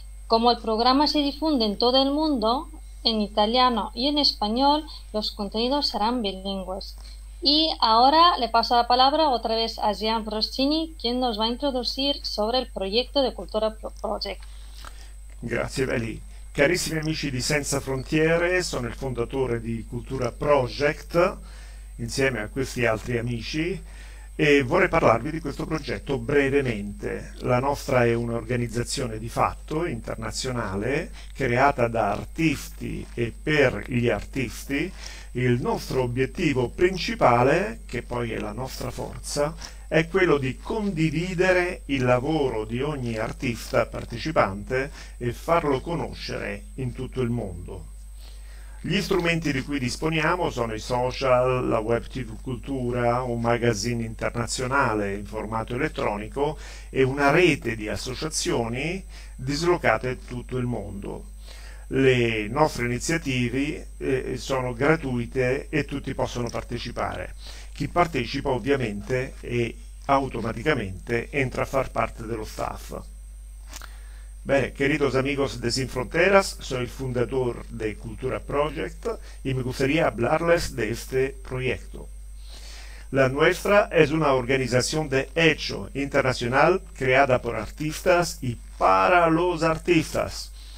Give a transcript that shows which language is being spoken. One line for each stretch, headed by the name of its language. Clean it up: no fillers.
Spanish: Como el programa se difunde en todo el mundo, en italiano y en español, los contenidos serán bilingües. Y ahora le paso la palabra otra vez a Gian Broschini, quien nos va a introducir sobre el proyecto de Cultura Project.
Italian: Grazie, Veli. Carissimi amici di Senza Frontiere, sono il fondatore di Cultura Project, insieme a questi altri amici, e vorrei parlarvi di questo progetto brevemente. La nostra è un'organizzazione di fatto internazionale, creata da artisti e per gli artisti. Il nostro obiettivo principale, che poi è la nostra forza, è quello di condividere il lavoro di ogni artista partecipante e farlo conoscere in tutto il mondo. Gli strumenti di cui disponiamo sono i social, la web TV Cultura, un magazine internazionale in formato elettronico e una rete di associazioni dislocate in tutto il mondo. Le nostre iniziative sono gratuite e tutti possono partecipare. Chi partecipa ovviamente è automaticamente entra a far parte dello staff. Bene,
Spanish: queridos amigos de Sin Fronteras, soy el fundador de Cultura Project y me gustaría hablarles de este proyecto. La nuestra es una organización de hecho internacional creada por artistas y para los artistas.